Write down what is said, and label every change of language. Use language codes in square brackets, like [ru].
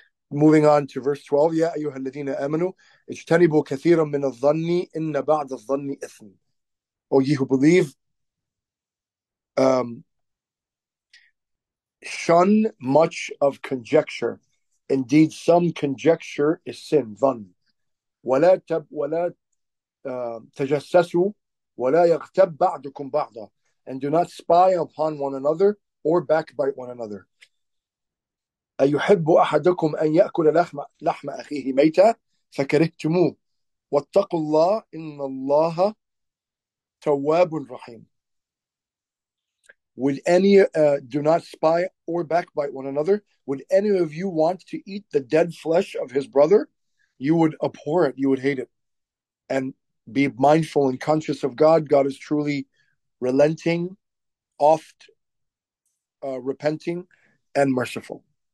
[en] Moving on to verse 12, [ar] يا أيها الذين آمنوا اجتنبوا كثيرا من الظن إن بعض الظن إثم. [en] O ye who believe, shun much of conjecture. Indeed, some conjecture is sin, ظن. [ar] ولا تب ولا تجسسوا ولا يغتب بعضكم بعضا. [en] And do not spy upon one another or backbite one another. [ar] أيحب أحدكم أن يأكل لحم أخيه ميتا فكرهتموه واتقوا الله إن الله تواب رحيم. [en] Would any do not spy or backbite one another? Would any of you want to eat the dead flesh of his brother? You would abhor it, you would hate it. And be mindful and conscious of God. God is truly relenting, oft repenting, and merciful.